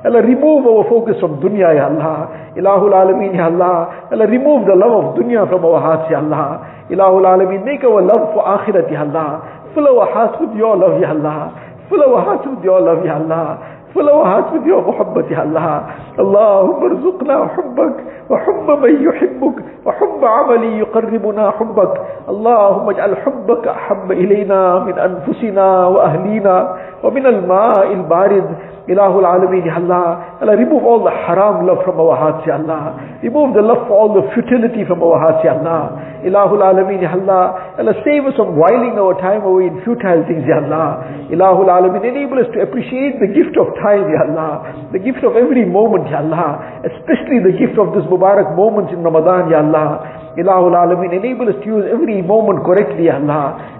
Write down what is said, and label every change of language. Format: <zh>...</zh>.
<en>Ya Allah, remove our focus from dunya, Ya Allah. Ilahul Alameen, Ya Allah. Ya Allah, remove the love of dunya from our hearts, Ya Allah. Ilahul Alameen, make our love for akhirat, Ya Allah. Fill our hearts with your love, Ya Allah. Fill our hearts with your love, Ya Allah. Fill our hearts with your muhabbat, Ya Allah.</en> <ar>Allahumma rizukna humbak. وحب من يحبك وحب عملي يقربنا حبك اللهم اجعل حبك أحب إلينا من أنفسنا وأهلينا ومن الماء البارد إله العالمين يا الله</ar> <en>Allah, remove all the haram love from our hearts, Ya Allah. Remove the love for all the futility from our hearts, Ya Allah. Ilahul Alameen, Ya Allah. Allah, save us from whiling our time away in futile things, Ya Allah. Ilahul Alameen, enable us to appreciate the gift of time, Ya Allah. The gift of every moment, Ya Allah. Especially the gift of this Mubarak moments in Ramadan, Ya Allah. Ilahul Alameen, enable us to use every moment correctly, Ya Allah.</en>